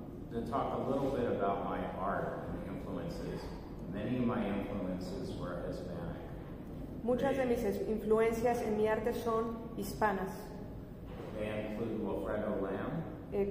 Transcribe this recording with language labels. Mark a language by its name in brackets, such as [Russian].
[English] To talk a little bit about my art and influences. Many of my influences were Hispanic. [Spanish] Muchas de mis influencias en mi arte son hispanas. [English] They include Wilfredo Lam.